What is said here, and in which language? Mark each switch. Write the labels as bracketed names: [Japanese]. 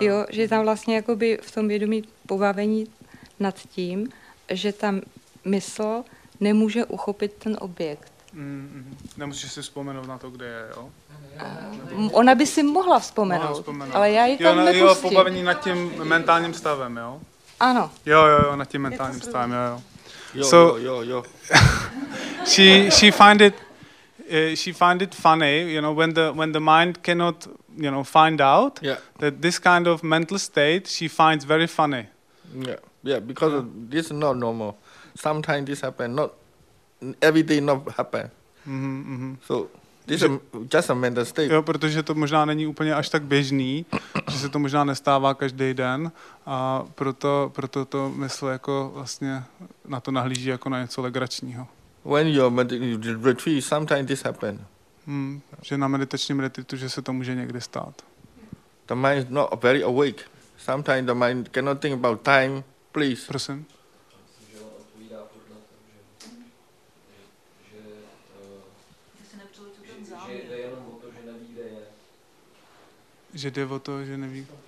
[Czech] Že je tam vlastně jakoby v tom vědomí pobavení nad tím, že ta mysl nemůže uchopit ten objekt. Nemusíš si vzpomenout na to, kde je, jo? Ona by si mohla vzpomenout, ale já ji tam nepustím. Jo, pobavení nad tím mentálním stavem, jo? Ano. Jo, nad tím mentálním stavem, jo. Jo. [English] she find it funny, you know, when the mind cannot, you know, find out that this kind of mental state she finds very funny. Yeah, because this is not normal. Sometimes this happen, not every day not happen. So this is just a mental state. [Czech] Jo, protože to možná není úplně až tak běžný, že se to možná nestává každý den, a proto to mysl jako vlastně na to nahlíží jako na něco legračního. [English] When you're retreat, sometimes this happen. [Czech] Že na meditačním retreatu, že se to může někdy stát. [English] The mind is not very awake. Sometimes the mind cannot think about time, please. [Czech] Prosím. Že jde o to, že neví.